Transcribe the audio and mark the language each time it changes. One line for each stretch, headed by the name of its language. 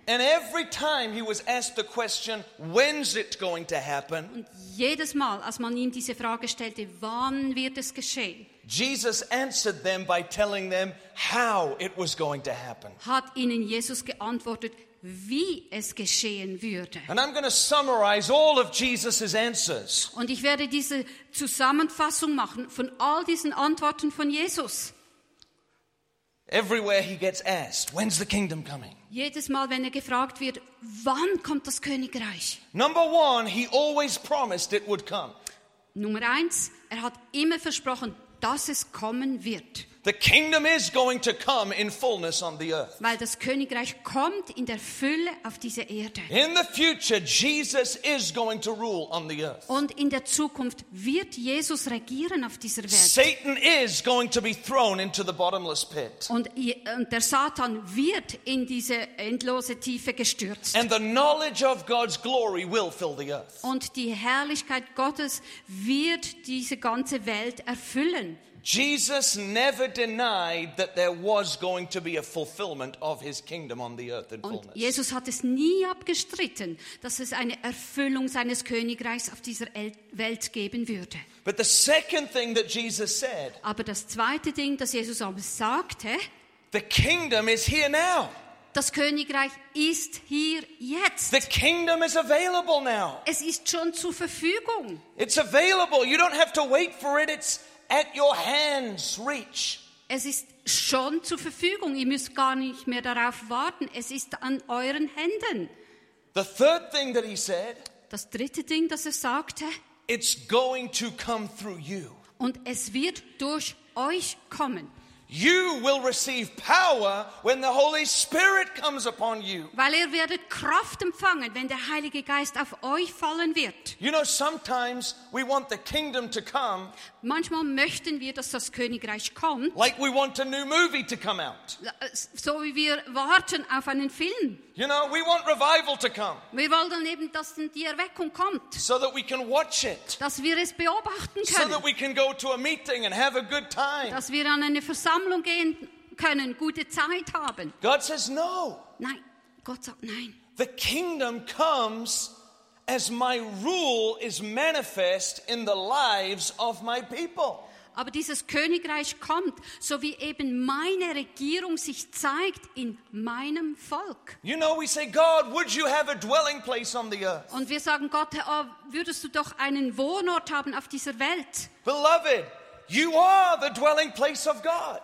English: And every time he was asked the question, when's it going to happen?
German: Und jedes Mal, als man ihm diese Frage stellte, wann wird es geschehen?
English: Jesus answered them by telling them how it was going to happen.
German: Hat ihnen Jesus geantwortet, wie es geschehen würde.
English: And I'm going to summarize all of Jesus's answers.
German: Und ich werde diese Zusammenfassung machen von all diesen Antworten von Jesus.
English: Everywhere he gets asked, when's the kingdom coming?
German: Jedes Mal, wenn er gefragt wird, wann kommt das Königreich?
English: Number one, he always promised it would come.
German: Nummer eins, er hat immer versprochen, dass es kommen wird.
English: The kingdom is going to come in fullness on the earth.
German: Weil das Königreich kommt in der Fülle auf diese Erde.
English: In the future, Jesus is going to rule on the earth.
German: Und in der Zukunft wird Jesus regieren auf dieser Welt.
English: Satan is going to be thrown into the bottomless pit.
German: Und der Satan wird in diese endlose Tiefe gestürzt.
English: And the knowledge of God's glory will fill the earth.
German: Und die Herrlichkeit Gottes wird diese ganze Welt erfüllen.
English: Jesus never denied that there was going to be a fulfillment of his kingdom on the earth in fullness.
German: Und Jesus hat es nie abgestritten, dass es eine Erfüllung seines Königreichs auf dieser Welt geben würde.
English: But the second thing that Jesus said,
German: aber das zweite Ding, das Jesus aber sagte,
English: the kingdom is here now.
German: Das Königreich ist hier jetzt.
English: The kingdom is available now.
German: Es ist schon zur Verfügung.
English: It's available. You don't have to wait for it. It's at your hand's reach.
German: Es ist schon zur Verfügung. Ihr müsst gar nicht mehr darauf warten. Es ist an euren Händen.
English: The third thing that he said,
German: das dritte Ding, das er sagte,
English: it's going to come through you.
German: Und es wird durch euch kommen.
English: You will receive power when the Holy Spirit comes upon you.
German: Weil ihr werdet Kraft empfangen, wenn der Heilige Geist auf euch fallen wird.
English: You know, sometimes we want the kingdom to come.
German: Manchmal möchten wir, dass das Königreich kommt.
English: Like we want a new movie to come out.
German: So wie wir warten auf einen Film.
English: You know, we want revival to come.
German: Wir wollen eben, dass die Erweckung kommt.
English: So that we can watch it.
German: Dass wir es beobachten können.
English: So that we can go to a meeting and have a good time.
German: Dass wir an eine Versammlung gehen können, gute Zeit haben.
English: God says no.
German: Nein, Gott sagt nein.
English: The kingdom comes as my rule is manifest in the lives of my people.
German: Aber dieses Königreich kommt, so wie eben meine Regierung sich zeigt in meinem Volk.
English: You know, we say, God, would you have a dwelling place on the earth?
German: Und wir sagen, Gott, oh, würdest du doch einen Wohnort haben auf dieser Welt?
English: Beloved, you are the dwelling place of God.